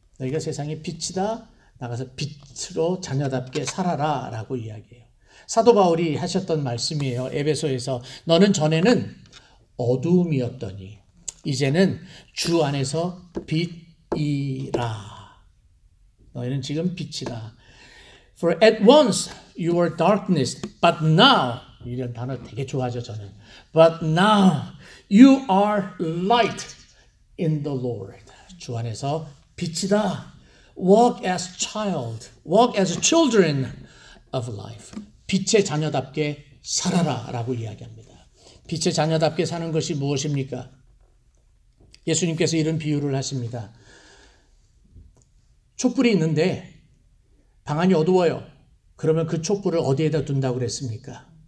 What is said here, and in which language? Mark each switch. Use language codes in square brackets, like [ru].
[ko] 너희가 세상의 빛이다. 나가서 빛으로 자녀답게 살아라 라고 이야기해요. 사도 바울이 하셨던 말씀이에요. 에베소에서 너는 전에는 어두움이었더니 이제는 주 안에서 빛이라. 너희는 지금 빛이다. [en] For at once you were darkness, but now, [ko] 이런 단어 되게 좋아하죠 저는. [en] But now you are light in the Lord. [ko] 주 안에서 빛이다. [en] Walk as child, walk as children of life. [ko] 빛의 자녀답게 살아라 라고 이야기합니다. 빛의 자녀답게 사는 것이 무엇입니까? 예수님께서 이런 비유를 하십니다. 촛불이 있는데 방 안이 어두워요. 그러면 그 촛불을 어디에다 둔다고 그랬습니까?